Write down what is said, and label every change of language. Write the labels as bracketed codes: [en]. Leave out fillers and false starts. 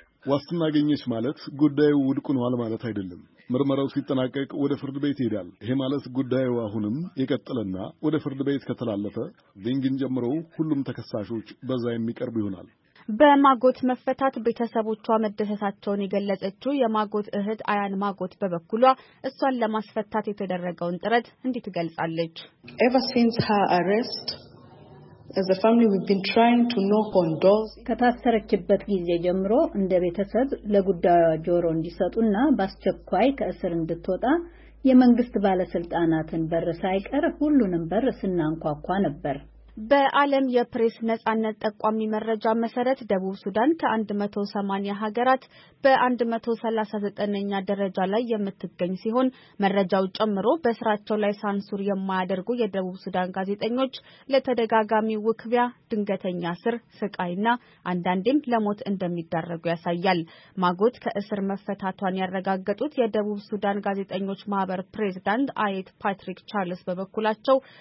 [am] ዋስትና አገኘች ማለት ጉዳዩ ውድቅ ነው ማለት አይደለም። ምርመራው ሲጠናቀቅ ወደ ፍርድ ቤት ይሄዳል። ይሄ ማለት ጉዳዩ አሁንም ይቀጥልና ወደ ፍርድ ቤት ከተላለፈ ዲንግን ጀምሮ ሁሉም ተከሳሾች በዛ የሚቀርቡ ይሆናል። በማጎት መፈታት ቤተሰቦቿ መደሰታቸውን የገለጸችው የማጎት እህት አያን ማጎት በበኩሏ እሷን ለማስፈታት የተደረገውን ጥረት እንዲህ ትገልጻለች። [en] Ever since her arrest, as a family, we've been trying to knock on doors. [am] ከታሰረችበት ጊዜ ጀምሮ እንደ ቤተሰብ ለጉዳዩ ጆሮ እንዲሰጡና በአስቸኳይ ከእስር እንድትወጣ የመንግስት ባለስልጣናትን በር ሳይቀር ሁሉንም በር ስናንኳኳ ነበር። በዓለም የፕሬስ ነጻነት ተቋም መረጃ መሰረት ደቡብ ሱዳን ከ180 ሀገራት በ139ኛ ደረጃ ላይ የምትገኝ ሲሆን መረጃው ጨምሮ በስራቸው ላይ ሳንሱር የማያደርጉ የደቡብ ሱዳን ጋዜጠኞች ለተደጋጋሚ ውክቢያ፣ ድንገተኛ እስር፣ ስቃይና አንዳንዴም ለሞት እንደሚዳረጉ ያሳያል። ማጎት ከእስር መፈታቷን ያረጋገጡት የደቡብ ሱዳን ጋዜጠኞች ማህበር ፕሬዝዳንት አይት ፓትሪክ ቻርልስ በበኩላቸው